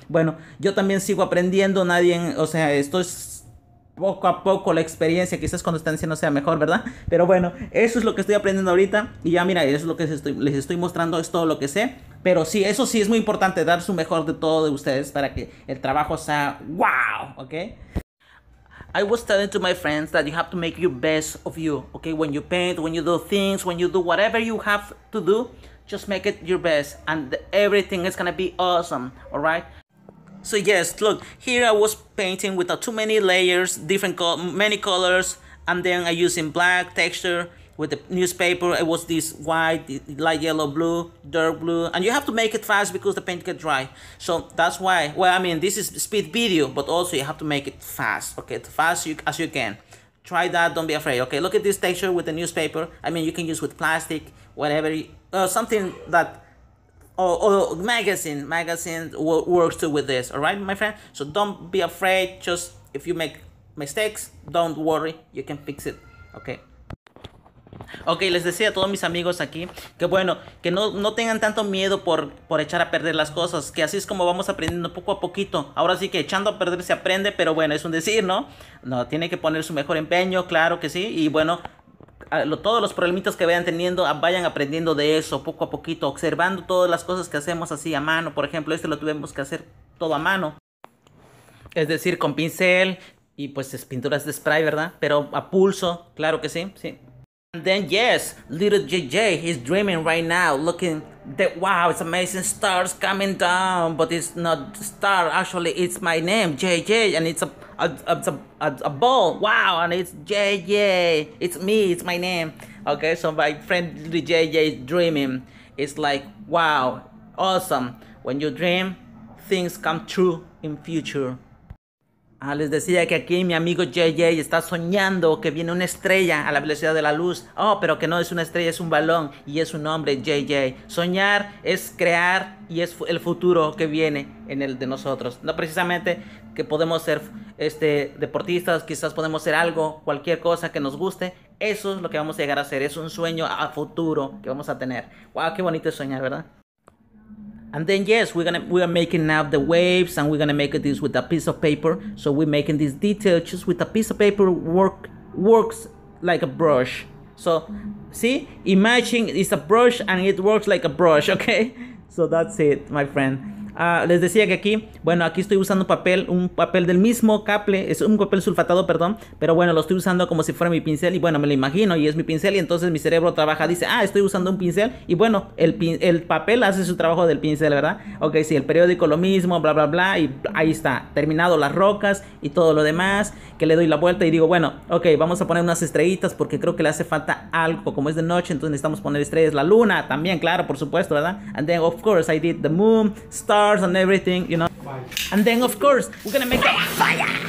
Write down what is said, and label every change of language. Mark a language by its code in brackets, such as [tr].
[es] Bueno, yo también sigo aprendiendo, esto es poco a poco la experiencia, quizás cuando están haciendo sea mejor, ¿verdad? Pero bueno, eso es lo que estoy aprendiendo ahorita, y ya mira, eso es lo que les estoy mostrando, es todo lo que sé. Pero sí, eso sí es muy importante, dar su mejor de todo de ustedes para que el trabajo sea wow, ¿ok? [en] I was telling to my friends that you have to make your best of you, okay? When you paint, when you do things, when you do whatever you have to do, just make it your best, and everything is gonna be awesome, all right? So yes, look, here I was painting without too many layers, different many colors, and then I using black texture with the newspaper. It was this white, light yellow, blue, dark blue, and you have to make it fast because the paint get dry. So that's why, well, I mean, this is speed video, but also you have to make it fast, okay, as you can. Try that, don't be afraid, okay? Look at this texture with the newspaper. I mean, you can use with plastic, whatever, something that, magazine works too with this, all right, my friend? So don't be afraid, just if you make mistakes, don't worry, you can fix it, okay? [es] Ok, les decía a todos mis amigos aquí que bueno, que no tengan tanto miedo por echar a perder las cosas, que así es como vamos aprendiendo poco a poquito. Ahora sí que echando a perder se aprende, pero bueno, es un decir, ¿no? No, tiene que poner su mejor empeño, claro que sí, y bueno, todos los problemitas que vayan teniendo, vayan aprendiendo de eso poco a poquito, observando todas las cosas que hacemos así a mano. Por ejemplo, lo tuvimos que hacer todo a mano, es decir, con pincel y pues es pinturas de spray, ¿verdad? Pero a pulso, claro que sí, sí. [en] And then, yes, little JJ is dreaming right now, looking Wow, it's amazing, stars coming down, but it's not star, actually it's my name, JJ, and it's a ball, wow, and it's JJ, it's me, it's my name. Okay, so my friend JJ is dreaming. It's like, wow, awesome, when you dream, things come true in future. [es] Ah, les decía que aquí mi amigo JJ está soñando que viene una estrella a la velocidad de la luz. Oh, pero que no es una estrella, es un balón y es un hombre, JJ. Soñar es crear y es el futuro que viene en el de nosotros. No precisamente que podemos ser deportistas, quizás podemos ser algo, cualquier cosa que nos guste. Eso es lo que vamos a llegar a hacer, es un sueño a futuro que vamos a tener. Wow, qué bonito es soñar, ¿verdad? [en] And then yes, we are making out the waves, and we're gonna make this with a piece of paper. So we're making this detail just with a piece of paper, works like a brush. So see, imagine it's a brush and it works like a brush, okay? So that's it, my friend. [es] Les decía que aquí, bueno, aquí estoy usando papel, un papel del mismo cable, es un papel sulfatado, perdón, pero bueno, lo estoy usando como si fuera mi pincel, y bueno, me lo imagino, y es mi pincel, y entonces mi cerebro trabaja, dice, ah, estoy usando un pincel, y bueno, el papel hace su trabajo del pincel, ¿verdad? Ok, sí, el periódico lo mismo, bla, bla, bla, y ahí está, terminado las rocas y todo lo demás, que le doy la vuelta y digo, bueno, ok, vamos a poner unas estrellitas porque creo que le hace falta algo, como es de noche, entonces necesitamos poner estrellas, la luna también, claro, por supuesto, ¿verdad? [en] And then, of course, I did the moon, star, and everything, you know. Fire. And then of course we're gonna make a fire.